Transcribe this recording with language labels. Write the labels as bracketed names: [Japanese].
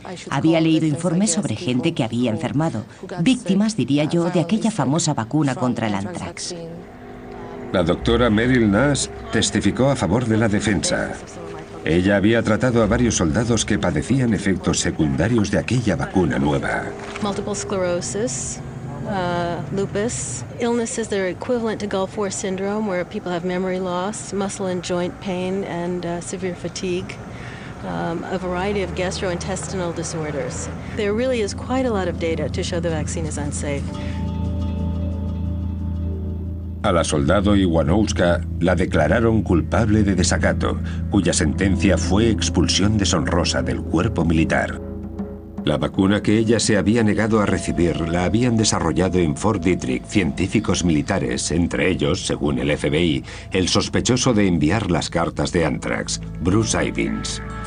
[Spanish] Había leído informes sobre gente que había enfermado, víctimas, diría yo, de aquella famosa vacuna contra el anthrax. La doctora Meryl Nash testificó a favor de la defensa. Ella había tratado a varios soldados que padecían efectos secundarios de aquella vacuna nueva. [English] Multiple sclerosis, lupus, illnesses that are equivalent to Gulf War syndrome, where people have memory loss, muscle and joint pain, and severe fatigue. A variety of gastrointestinal disorders. There really is quite a lot of data to show the vaccine is unsafe. [Spanish] A la soldado Iwanowska la declararon culpable de desacato, cuya sentencia fue expulsión deshonrosa del cuerpo militar. La vacuna que ella se había negado a recibir la habían desarrollado en Fort Detrick científicos militares, entre ellos, según el FBI, el sospechoso de enviar las cartas de anthrax, Bruce Ivins.